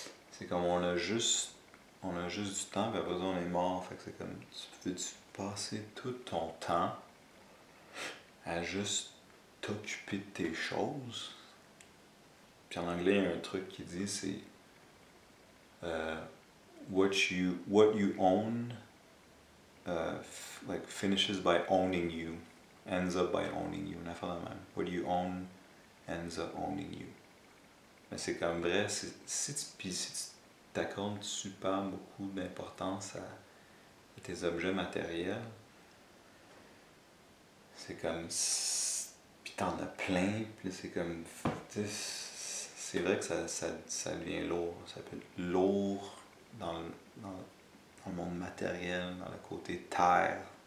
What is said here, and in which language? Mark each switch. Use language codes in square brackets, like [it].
[fr] C'est comme, on a juste du temps, puis après on est mort, fait que c'est comme, passer tout ton temps à juste t'occuper de tes choses. Puis en anglais, il y a un truc qui dit, c'est [en] what you own like finishes by owning you, ends up by owning you. [fr] Une affaire de même. [en] What you own ends up owning you. [fr] Mais c'est comme vrai, si tu t'accordes super beaucoup d'importance à tes objets matériels, c'est comme, puis t'en as plein, puis c'est comme, c'est vrai que ça devient lourd, ça peut être lourd dans le monde matériel, dans le côté terre.